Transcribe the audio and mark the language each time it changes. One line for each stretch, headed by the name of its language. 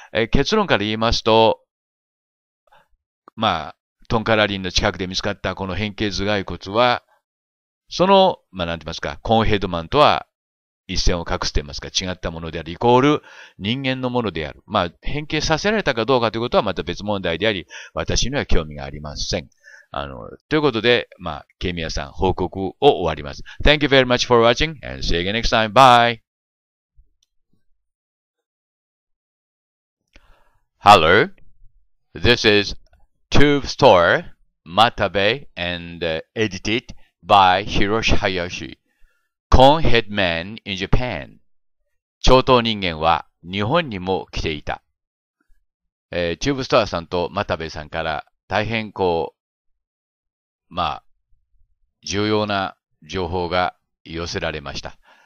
Japanese: 結論から言いますと、まあ、トンカラリンの近くで見つかったこの変形頭蓋骨は、その、まあ、なんて言いますか、コーンヘッドマンとは一線を画していますか、違ったものであり、イコール人間のものである。まあ、変形させられたかどうかということはまた別問題であり、私には興味がありません。ということで、まあ、ケミヤさん、報告を終わります。
English: Thank you very much for watching and see you again next time. Bye! Hello, this is Tube Store Matabe and edited by Hiroshi Hayashi. Cornhead Man in Japan.
Japanese: 超等人間は日本にも来ていた。 Tube Store さんと Matabe さんから大変こう、まあ、重要な情報が寄せられました。